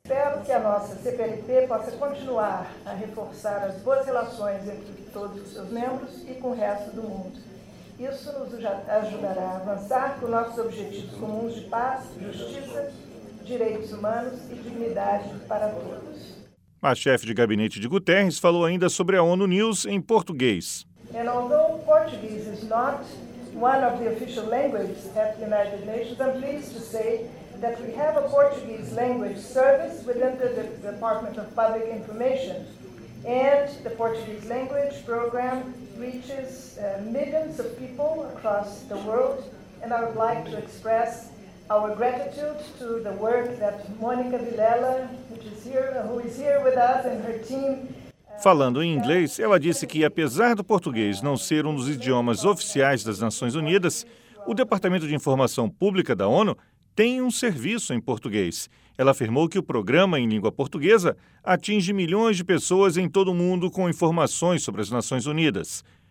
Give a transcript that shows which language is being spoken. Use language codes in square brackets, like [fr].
[pt] Espero que a nossa CPLP possa continuar a reforçar as boas relações entre todos os seus membros e com o resto do mundo. Isso nos ajudará a avançar com nossos objetivos comuns de paz, justiça, direitos humanos e dignidade para todos. A chefe de gabinete de Guterres falou ainda sobre a ONU News em português. [en] And although Portuguese is not one of the official languages at the United Nations, I'm pleased to say that we have a Portuguese language service within the Department of Public Information. And the Portuguese language program reaches millions of people across the world. And I would like to express our gratitude to the work that Mônica Vilela, who is here with us and her team. [pt] Falando em inglês, ela disse que, apesar do português não ser um dos idiomas oficiais das Nações Unidas, o Departamento de Informação Pública da ONU tem um serviço em português. Ela afirmou que o programa em língua portuguesa atinge milhões de pessoas em todo o mundo com informações sobre as Nações Unidas.